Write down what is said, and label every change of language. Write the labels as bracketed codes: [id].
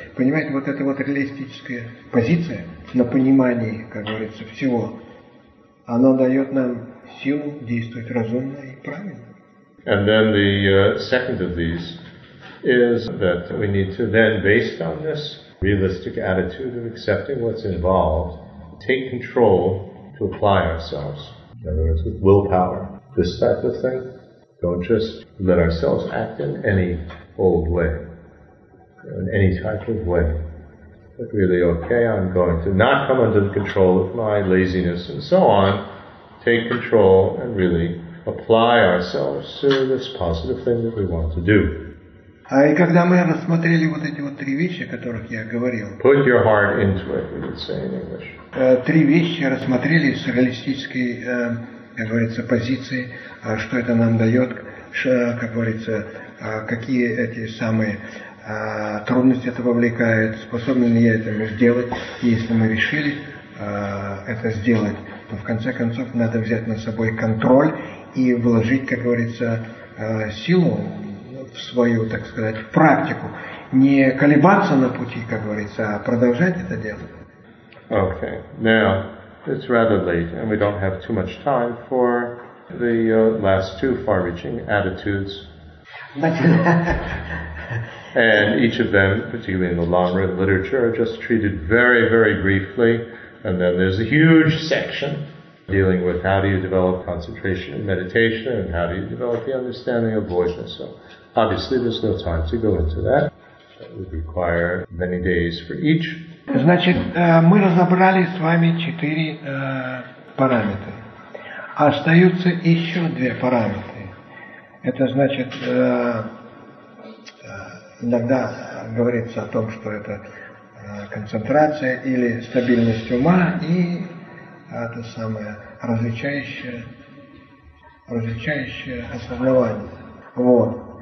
[ru] Понимаете, вот эта вот реалистическая позиция на понимании, как говорится, всего, Оно дает нам силу действовать разумно и правильно. [en] And then the second of these is that we need to then, based on this realistic attitude of accepting what's involved, take control to apply ourselves. In other words, with willpower, this type of thing. Don't just let ourselves act in any old way, in any type of way. But really, okay, I'm going to not come under the control of my laziness and so on. Take control and really apply ourselves to this positive thing that we want to do. [ru] А и когда мы рассмотрели вот эти вот три вещи, о которых я говорил, [en] put your heart into it, we would say in English. [ru] Три вещи рассмотрели с реалистической, как говорится, позиции, что это нам дает, как говорится, какие эти самые трудности это вовлекает, способен ли я это сделать, если мы решили это сделать, то в конце концов надо взять на собой контроль и вложить, как говорится, силу в свою, так сказать, практику. Не колебаться на пути, как говорится, а продолжать это дело. [en] Okay. Now, it's rather late, and we don't have too much time for the last two far-reaching attitudes. And each of them, particularly in the Lamrim literature, are just treated very, very briefly. And then there's a huge section dealing with how do you develop concentration and meditation, and how do you develop the understanding of voidness. So, obviously, there's no time to go into that. That would require many days for each. [ru] Значит, мы разобрали с вами четыре параметра. Остаются еще две параметры. Это значит, иногда говорится о том, что это концентрация или стабильность ума и это самое различающее осознавание. Вот.